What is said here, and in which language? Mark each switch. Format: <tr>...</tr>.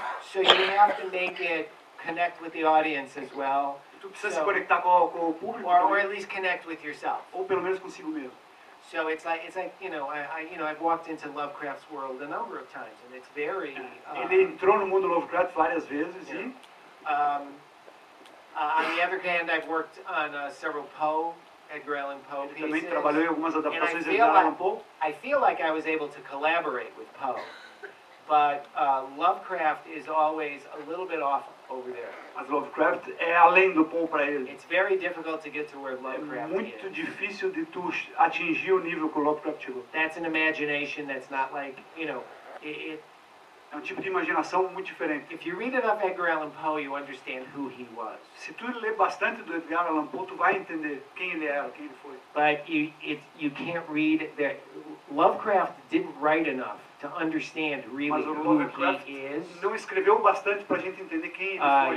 <en>So you have to make it connect with the audience as well.</en> <pt>Tu precisa se conectar com o público.</pt> <en>Or at least connect with yourself.</en> <pt>Ou pelo menos consigo mesmo.</pt> <en>So it's like you know, I've walked into Lovecraft's world a number of times, and it's very.</en> <pt>Ele entrou no mundo Lovecraft várias vezes, yeah.</pt> <en>On the other hand, I've worked on several Poe Edgar Allan Poe pieces.</en> <pt>Também trabalhou em algumas adaptações de Edgar Allan Poe.</pt> <en>I feel like I was able to collaborate with Poe. But Lovecraft is always a little bit off over there.</en> <pt>Mas Lovecraft é além do Poe para ele.</pt> <en>It's very difficult to get to where Lovecraft is.</en> <pt>Muito difícil de tu atingir o nível que o Lovecraft chegou.</pt> <en>That's an imagination that's not like, you know,</en> <pt>é um tipo de imaginação muito diferente.</pt> <en>If you read enough Edgar Allan Poe, you understand who he was.</en> <pt>Se tu ler bastante do Edgar Allan Poe, tu vai entender quem ele era, quem ele foi.</pt> <en>But you can't read that. Lovecraft didn't write enough to understand really</en> <pt>Mas o</pt> <en>who Lovecraft he is.</en> <pt>Não escreveu bastante para a gente entender quem ele foi.</pt>